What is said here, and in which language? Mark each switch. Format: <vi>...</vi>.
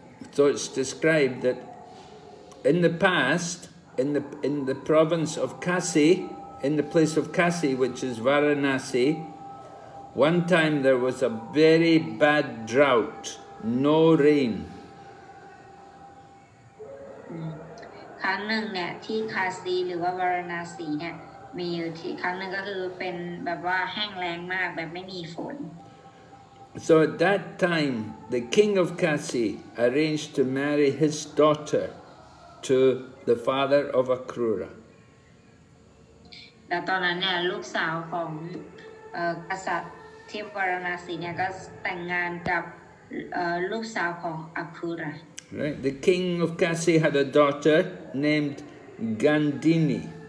<en>So it's described that in the past, in the province of Kasi, in the place of Kasi, which is Varanasi, one time there was a very bad drought, no rain.</en> <th>ครั้งหนึ่งเนี่ยที่คาซีหรือว่าวาราณสีเนี่ยมีอยู่ที่ครั้งหนึ่งก็คือเป็นแบบว่าแห้งแล้งมากแบบไม่มีฝน</th> <en>So at that time the king of Kasi arranged to marry his daughter to the father of Akrura</en> <th>แต่ตอนนั้นเนี่ยลูกสาวของกษัตริย์ที่วาราณสีเนี่ยก็แต่งงานกับลูกสาวของอัครุระ</th> <en>Right. The king of Kasi had a daughter named Gandini.</en>